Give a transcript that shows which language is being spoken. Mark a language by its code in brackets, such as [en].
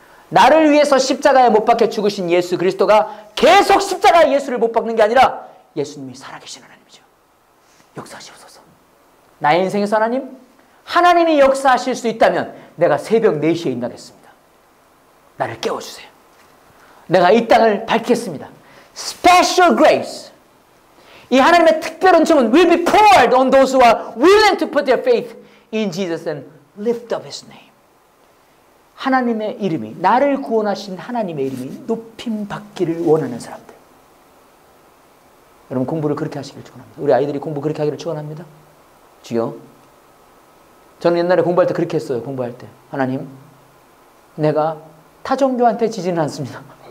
[ko] 나를 위해서 십자가에 못 박혀 죽으신 예수 그리스도가 계속 십자가에 예수를 못 박는 게 아니라 예수님이 살아계신 하나님이죠. 역사하시옵소서. 나의 인생에서 하나님, 하나님이 역사하실 수 있다면 내가 새벽 4시에 일어나겠습니다. 나를 깨워주세요. 내가 이 땅을 밝히겠습니다. [en] Special grace. [ko] 이 하나님의 특별 은총은 [en] will be poured on those who are willing to put their faith in Jesus and lift up his name. [ko] 하나님의 이름이, 나를 구원하신 하나님의 이름이 높임 받기를 원하는 사람들. 여러분 공부를 그렇게 하시길 축원합니다. 우리 아이들이 공부 그렇게 하기를 축원합니다. 주여, 저는 옛날에 공부할 때 그렇게 했어요. 공부할 때 하나님, 내가 타 종교한테 지지는 않습니다.